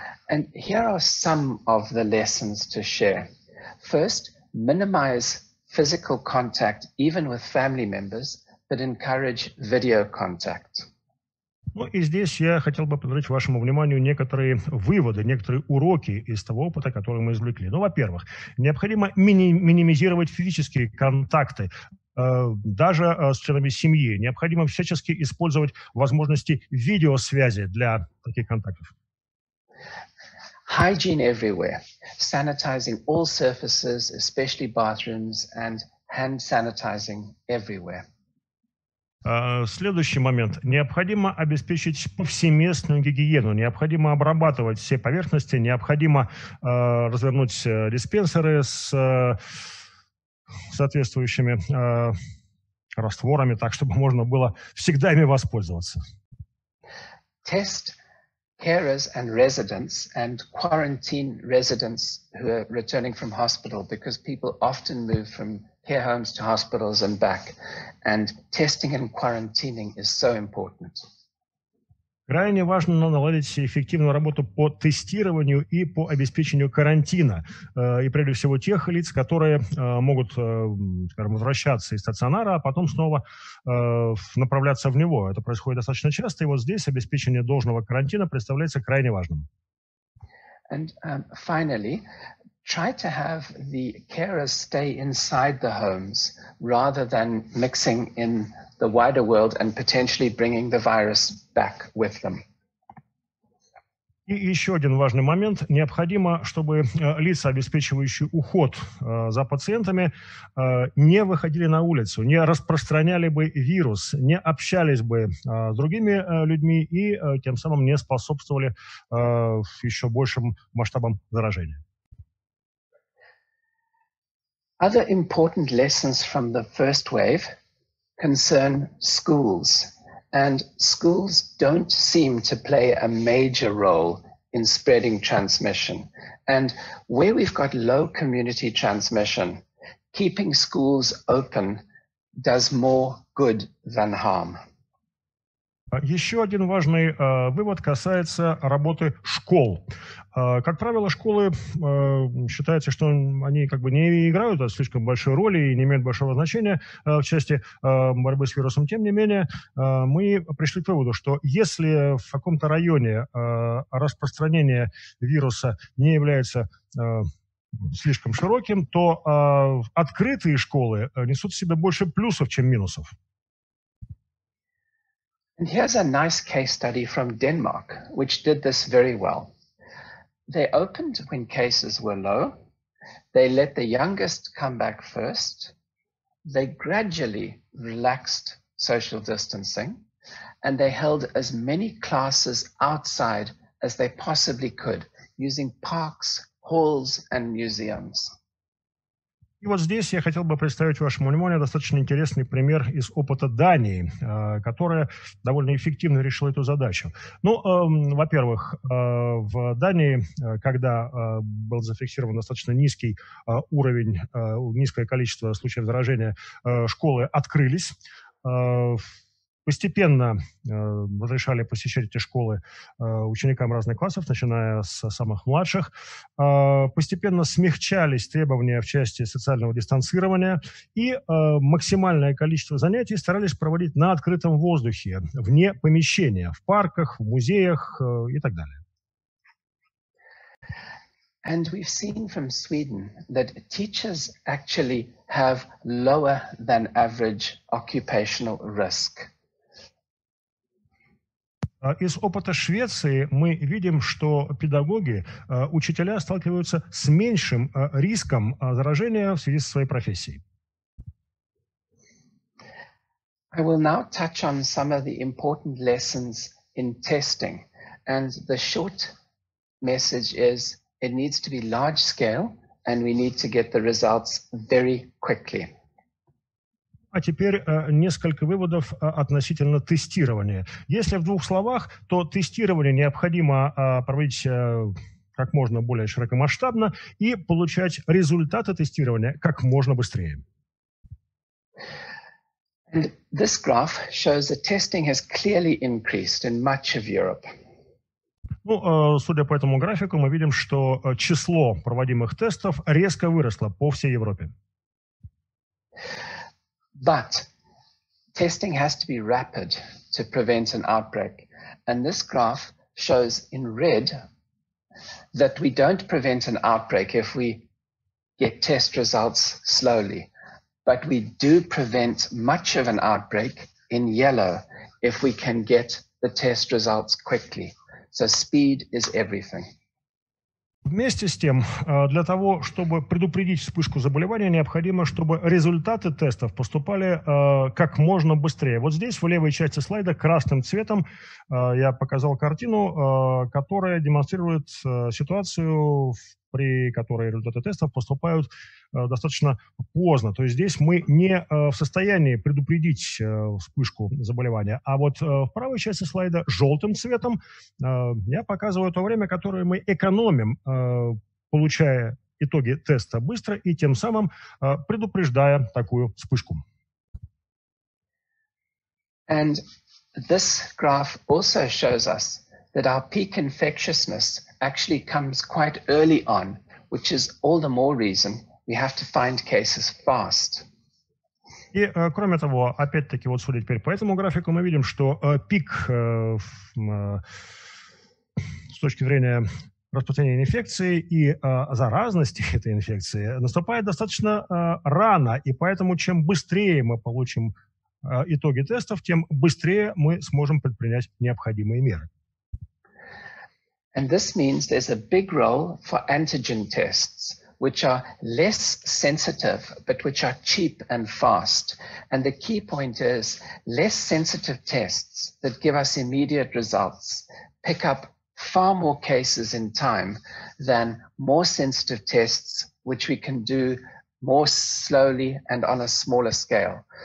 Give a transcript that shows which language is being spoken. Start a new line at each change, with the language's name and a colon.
English: And here are some of the lessons to share. First, minimize physical contact, even with family members, but encourage video contact.
Russian: Ну и здесь я хотел бы предложить вашему вниманию некоторые выводы, некоторые уроки из того опыта, который мы извлекли. Ну, во-первых, необходимо минимизировать физические контакты, даже с членами семьи. Необходимо всячески использовать возможности видеосвязи для таких контактов.
English: Hygiene everywhere, sanitizing all surfaces, especially bathrooms, and hand sanitizing everywhere.
Russian: Следующий момент. Необходимо обеспечить повсеместную гигиену. Необходимо обрабатывать все поверхности. Необходимо развернуть диспенсеры с соответствующими растворами, так чтобы можно было всегда ими воспользоваться.
English: Test carers and residents and quarantine residents who are returning from hospital, because people often move from care homes to hospitals and back, and testing and quarantining is so important.
Russian: Крайне важно наладить эффективную работу по тестированию и по обеспечению карантина. И прежде всего тех лиц, которые могут, скажем, возвращаться из стационара, а потом снова направляться в него. Это происходит достаточно часто, и вот здесь обеспечение должного карантина представляется крайне важным.
English: And finally, try to have the carers stay inside the homes rather than mixing in the wider world and potentially bringing the virus back with them.
Russian: И еще один важный момент. Необходимо, чтобы лица, обеспечивающие уход за пациентами, не выходили на улицу, не распространяли бы вирус, не общались бы с другими людьми и тем самым не способствовали еще большим масштабам заражения.
English: Other important lessons from the first wave concern schools. And schools don't seem to play a major role in spreading transmission. And where we've got low community transmission, keeping schools open does more good than harm.
Russian: Еще один важный вывод касается работы школ. Как правило, школы считается, что они как бы не играют слишком большой роли и не имеют большого значения в части борьбы с вирусом. Тем не менее, мы пришли к выводу, что если в каком-то районе распространение вируса не является слишком широким, то открытые школы несут в себе больше плюсов, чем минусов.
English: And here's a nice case study from Denmark, which did this very well. They opened when cases were low. They let the youngest come back first. They gradually relaxed social distancing, and they held as many classes outside as they possibly could, using parks, halls, and museums.
Russian: И вот здесь я хотел бы представить вашему вниманию достаточно интересный пример из опыта Дании, которая довольно эффективно решила эту задачу. Ну, во-первых, в Дании, когда был зафиксирован достаточно низкий уровень, низкое количество случаев заражения, школы открылись. Постепенно разрешали посещать эти школы ученикам разных классов, начиная с самых младших. Постепенно смягчались требования в части социального дистанцирования. И максимальное количество занятий старались проводить на открытом воздухе, вне помещения, в парках, в музеях и так далее.
English: And we've seen from Sweden that teachers actually have lower than average occupational risk.
Russian: Из опыта Швеции мы видим, что педагоги, учителя сталкиваются с меньшим риском заражения в связи со своей профессией.
English: I will now touch on some of the important lessons in testing. And the short message is, it needs to be large scale, and we need to get the results very quickly.
Russian: А теперь несколько выводов относительно тестирования. Если в двух словах, то тестирование необходимо проводить как можно более широкомасштабно и получать результаты тестирования как можно быстрее.
English: And this graph shows that testing has clearly increased in much of Europe.
Russian: Ну, судя по этому графику, мы видим, что число проводимых тестов резко выросло по всей Европе.
English: But testing has to be rapid to prevent an outbreak. And this graph shows in red that we don't prevent an outbreak if we get test results slowly. But we do prevent much of an outbreak in yellow if we can get the test results quickly. So speed is everything.
Russian: Вместе с тем, для того, чтобы предупредить вспышку заболевания, необходимо, чтобы результаты тестов поступали как можно быстрее. Вот здесь, в левой части слайда, красным цветом я показал картину, которая демонстрирует ситуацию, при которой результаты тестов поступают достаточно поздно. То есть здесь мы не в состоянии предупредить вспышку заболевания. А вот в правой части слайда желтым цветом я показываю то время, которое мы экономим, получая итоги теста быстро и тем самым предупреждая такую вспышку.
English: And this graph also shows us that our peak infectiousness actually comes quite early on, which is all the more reason we have to find cases fast.
Russian: И кроме того, опять-таки, вот судя теперь по этому графику, мы видим, что пик с точки зрения распространение инфекции и заразность этой инфекции наступает достаточно рано, и поэтому чем быстрее мы получим итоги тестов, тем быстрее мы сможем предпринять необходимые меры.
English: And this means there's a big role for antigen tests, which are less sensitive, but which are cheap and fast. And the key point is less sensitive tests that give us immediate results pick up far more cases in time than more sensitive tests, which we can do more slowly and on a smaller scale.